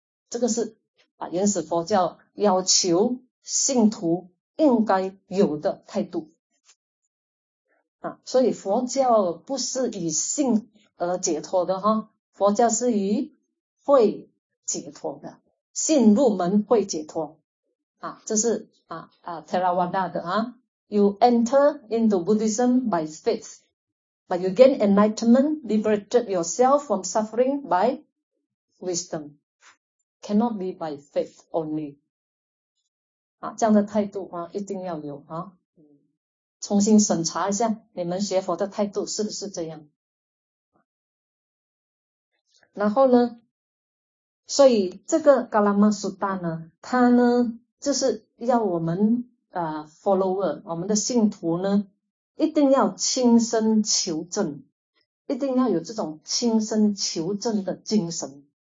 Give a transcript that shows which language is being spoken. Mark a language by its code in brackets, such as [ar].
[zh] 这个是啊，原始佛教要求信徒应该有的态度啊。所以佛教不是以信而解脱的哈，佛教是以慧解脱的，信入门慧解脱啊。这是啊 Theravada 的啊 [en] ，You enter into Buddhism by faith, but you gain enlightenment, liberated yourself from suffering by wisdom. Cannot be by faith only. [zh] 啊，这样的态度啊，一定要有啊。重新审查一下你们学佛的态度是不是这样。然后呢，所以这个噶拉玛苏达呢，他呢就是要我们follower, 我们的信徒呢，一定要亲身求证，一定要有这种亲身求证的精神。